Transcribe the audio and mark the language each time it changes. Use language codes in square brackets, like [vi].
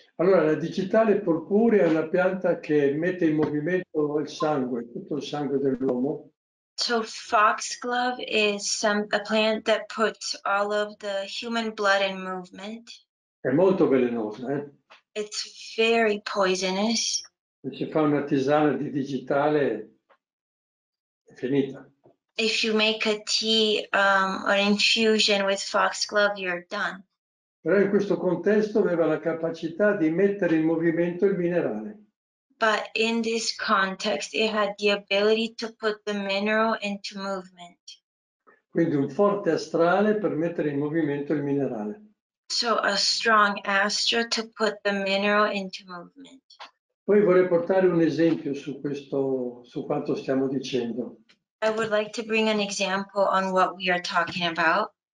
[it] Allora, la digitale purpurea è una pianta che mette in movimento il sangue, tutto il sangue dell'uomo. [en] So foxglove is a plant that puts all of the human blood in movement. [it] È molto velenosa, eh? [en] It's very poisonous. [it] Se si fa una tisana di digitale, è finita. [en] If you make a tea or infusion with foxglove, you're done. [it] Però in questo contesto aveva la capacità di mettere in movimento il minerale. [en] But in this context it had the ability to put the mineral into movement. [it] Quindi un forte astrale per mettere in movimento il minerale. [en] So a strong astra to put the mineral into movement. [it] Poi vorrei portare un esempio su questo, su quanto stiamo dicendo. [en] I would like to bring an example on what we are talking about.